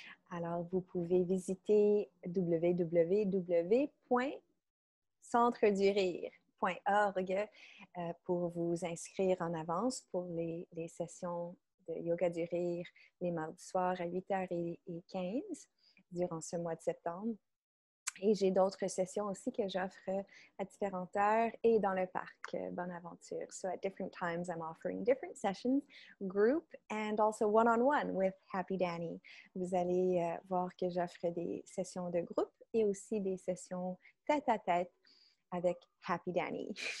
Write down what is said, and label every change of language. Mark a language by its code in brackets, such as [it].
[fr] Alors, vous pouvez visiter www.centredurire.org pour vous inscrire en avance pour les sessions de yoga du rire les mardis soirs à 8h15 durant ce mois de septembre. Et j'ai d'autres sessions aussi que j'offre à différentes heures et dans le parc Bonaventure. [en] So at different times, I'm offering different sessions, group and also one-on-one with Happy Dani. [fr] Vous allez voir que j'offre des sessions de groupe et aussi des sessions tête-à-tête avec Happy Dani.